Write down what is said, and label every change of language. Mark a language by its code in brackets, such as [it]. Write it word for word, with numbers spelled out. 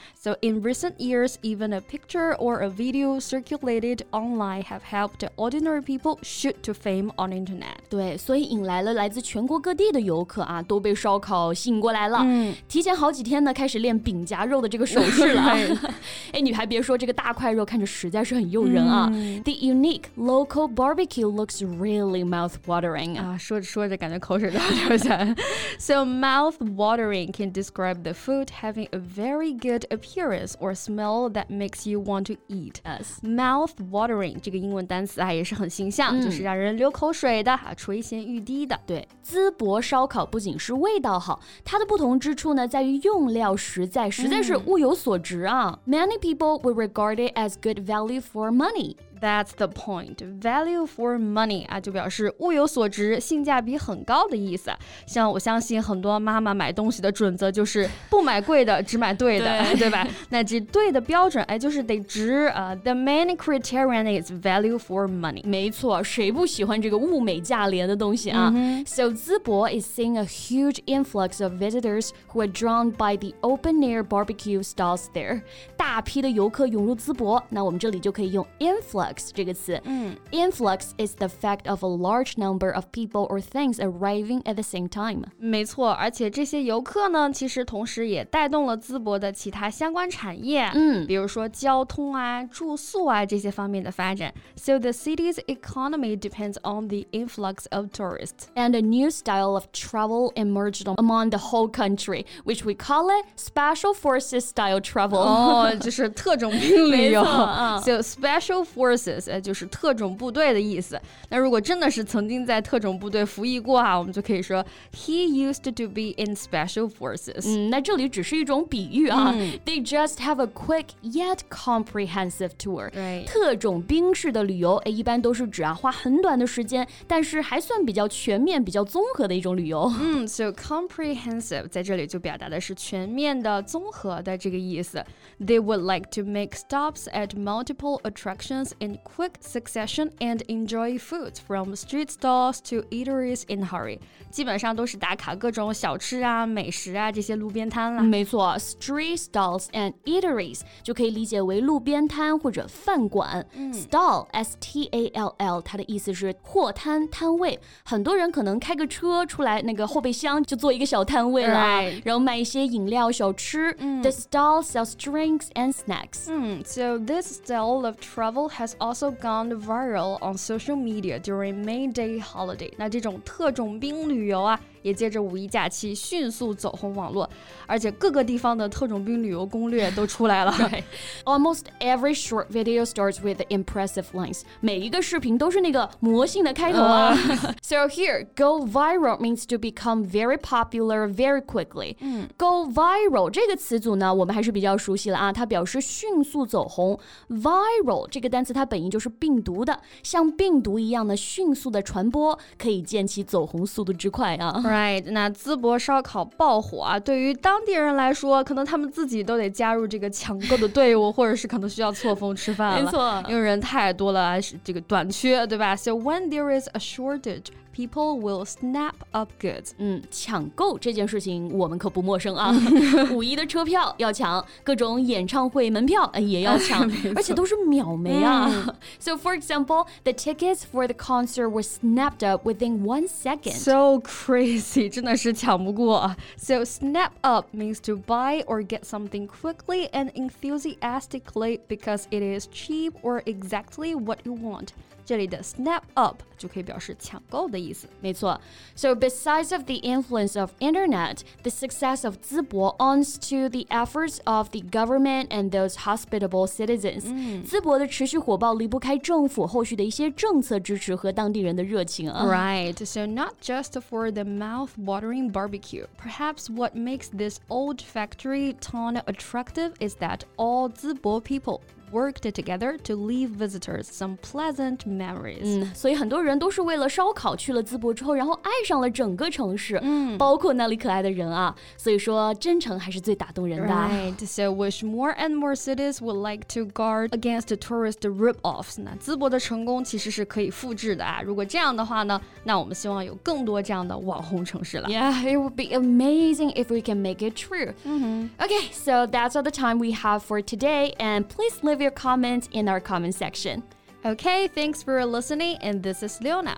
[en] So in recent years, even a picture or a video circulated online have helped ordinary people shoot to fame on internet. [zh] 对，所以引来了来自全国各地的游客啊，都被烧烤吸引过来了。嗯、提前好几天呢，开始练饼夹肉的这个手势了。哎，你还别说，这个大块肉看着实在是很诱人啊。 [en] 嗯、The unique local barbecue looks really mouth-watering. [zh] 啊，说着说着，感觉口水都要流下来。 [en] So mouth-watering can describe the food having a very good appearance or smell that makes you want to eat. Yes. [zh] Mouth-watering 这个英文单词啊也是很形象、嗯、就是让人流口水的、啊、垂涎欲滴的。对，淄博烧烤不仅是味道好，它的不同之处呢在于用料实在，实在是物有所值啊。 [en] 嗯、Many people will regard it as good value for money. That's the point. Value for money [zh] 啊，就表示物有所值，性价比很高的意思。像我相信很多妈妈买东西的准则就是不买贵的，只买对的， 对, 对吧？那这对的标准，哎，就是得值啊。 [en] The main criterion is value for money. [zh] 没错，谁不喜欢这个物美价廉的东西啊？ Mm-hmm. [en] So 淄博 is seeing a huge influx of visitors who are drawn by the open-air barbecue stalls there. [zh] 大批的游客涌入淄博，那我们这里就可以用 influx。这个词、 [en] 嗯、Influx is the fact of a large number of people or things arriving at the same time. [zh] 没错，而且这些游客呢，其实同时也带动了淄博的其他相关产业，嗯，比如说交通啊、住宿啊这些方面的发展。 [en] So the city's economy depends on the influx of tourists. And a new style of travel emerged among the whole country, which we call it special forces style travel. [zh] 哦，就是特种兵旅游。啊、 so special forces就是特种部队的意思。那如果真的是曾经在特种部队服役过啊，我们就可以说 [en] He used to be in special forces、嗯、 [zh] 那这里只是一种比喻啊、 [en] 嗯、They just have a quick yet comprehensive tour、 right. [zh] 特种兵式的旅游一般都是指啊花很短的时间，但是还算比较全面、比较综合的一种旅游、嗯、So comprehensive 在这里就表达的是全面的、综合的这个意思。 [en] They would like to make stops at multiple attractions inquick succession and enjoy food from street stalls to eateries in hurry. [zh] 基本上都是打卡各种小吃啊、美食啊这些路边摊啦。没错 ， [en] street stalls and eateries [zh] 就可以理解为路边摊或者饭馆。嗯、Stall s t a l l 它的意思是货摊、摊位。很多人可能开个车出来，那个后备箱就做一个小摊位了， [en] right. [zh] 然后卖一些饮料、小吃。嗯、 [en] The stall sells drinks and snacks. 嗯 ，So this style of travel has. Also gone viral on social media during May Day holiday. [zh] 那这种特种兵旅游啊也借着五一假期迅速走红网络，而且各个地方的特种兵旅游攻略都出来了。 [en] 对 Almost every short video starts with impressive lines. [zh] 每一个视频都是那个魔性的开头啊。 [en] Uh, so here, go viral means to become very popular very quickly.、嗯、go viral [zh] 这个词组呢，我们还是比较熟悉了啊。它表示迅速走红。 Viral 这个单词它本意就是病毒的，像病毒一样的迅速的传播，可以见其走红速度之快啊。 [en] Right， [zh] 那淄博烧烤爆火啊，对于当地人来说，可能他们自己都得加入这个抢购的队伍，或者是可能需要错峰吃饭了，没错，因为人太多了，这个短缺，对吧？ [en] So when there is a shortage. People will snap up goods. [zh] 嗯，抢购这件事情我们可不陌生啊。五一的车票要抢，各种演唱会门票也要抢，而且都是秒没啊。 [en] 嗯、so for example, the tickets for the concert were snapped up within one second. So crazy, [zh] 真的是抢不过啊。 [en] So snap up means to buy or get something quickly and enthusiastically because it is cheap or exactly what you want. [zh] 这里的 snap up 就可以表示抢购的意思。没错。 [en] So besides of the influence of internet, the success of Zibo owns to the efforts of the government and those hospitable citizens. [zh] 淄博的持续火爆离不开政府后续的一些政策支持和当地人的热情啊。 [en] Right. So not just for the mouth-watering barbecue. Perhaps what makes this old factory town attractive is that all Zibo people. worked together to leave visitors some pleasant memories. [zh] 嗯，所以很多人都是为了烧烤去了淄博之后，然后爱上了整个城市，嗯，包括那里可爱的人啊。所以说，真诚还是最打动人的。 [en] Right. So wish more and more cities would like to guard against tourist rip-offs. [zh] 那淄博的成功其实是可以复制的啊。如果这样的话呢，那我们希望有更多这样的网红城市了。 [en] Yeah, it would be amazing if we can make it true. Mm-hmm. Okay, so that's all the time we have for today, and please leave. your comments in our comment section. Okay, thanks for listening, and this is Leona.